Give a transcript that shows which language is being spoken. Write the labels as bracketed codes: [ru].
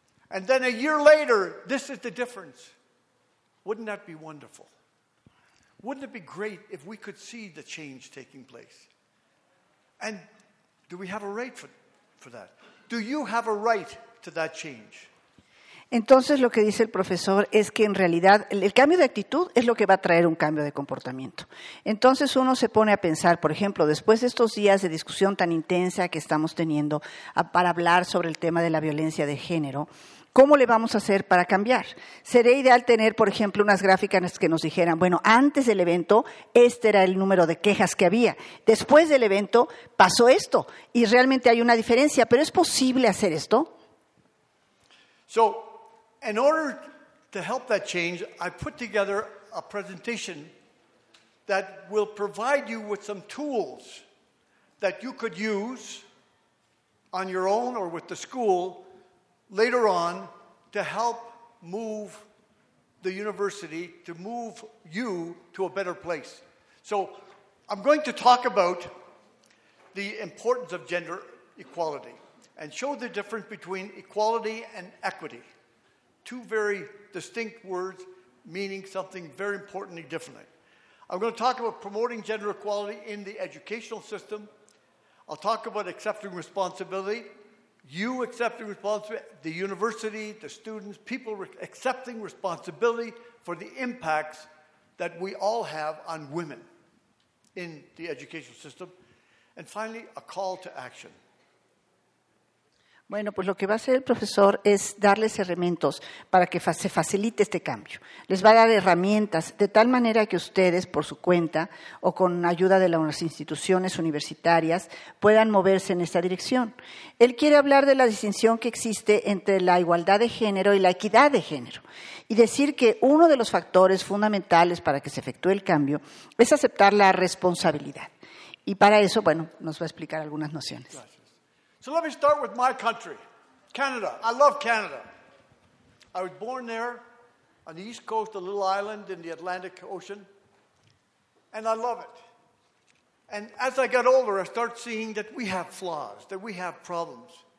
[en] And then a year later, this is the difference. Wouldn't that be wonderful? Wouldn't it be great if we could see the change taking place? And do we have a right for that? Do you have a right to that change? [es] Entonces, lo que dice el profesor es que en realidad el cambio de actitud es lo que va a traer un cambio de comportamiento. Entonces, uno se pone a pensar, por ejemplo, después de estos días de discusión tan intensa que estamos teniendo para hablar sobre el tema de la violencia de género, ¿cómo le vamos a hacer para cambiar? Sería ideal tener, por ejemplo, unas gráficas que nos dijeran, bueno, antes del evento, este era el número de quejas que había. Después del evento, pasó esto y realmente hay una diferencia. ¿Pero es posible hacer esto? [en] So, in order to help that change, I put together a presentation that will provide you with some tools that you could use on your own or with the school later on to help move the university, to move you to a better place. So I'm going to talk about the importance of gender equality and show the difference between equality and equity. Two very distinct words meaning something very importantly differently. I'm going to talk about promoting gender equality in the educational system. I'll talk about accepting responsibility, you accepting responsibility, the university, the students, people accepting responsibility for the impacts that we all have on women in the educational system. And finally, a call to action. [es] Bueno, pues lo que va a hacer el profesor es darles herramientas para que se facilite este cambio. Les va a dar herramientas de tal manera que ustedes, por su cuenta o con ayuda de las instituciones universitarias, puedan moverse en esta dirección. Él quiere hablar de la distinción que existe entre la igualdad de género y la equidad de género y decir que uno de los factores fundamentales para que se efectúe el cambio es aceptar la responsabilidad. Y para eso, bueno, nos va a explicar algunas nociones. [en] So let me start with my country, Canada. I love Canada. I was born there on the east coast, a little island in the Atlantic Ocean, and I love it. And as I got older, I started seeing that we have flaws, that we have problems.